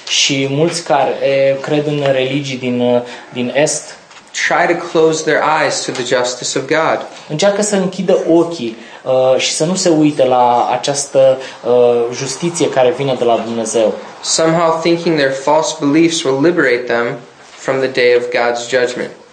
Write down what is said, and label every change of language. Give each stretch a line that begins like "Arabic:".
Romanian: și mulți care cred în religii din est,
English: try to close their eyes to the justice of God.
Romanian: Încearcă să închidă ochii și să nu se uite la această justiție care vine de la Dumnezeu.
English: Somehow thinking their false beliefs will liberate them from the day of God's judgment.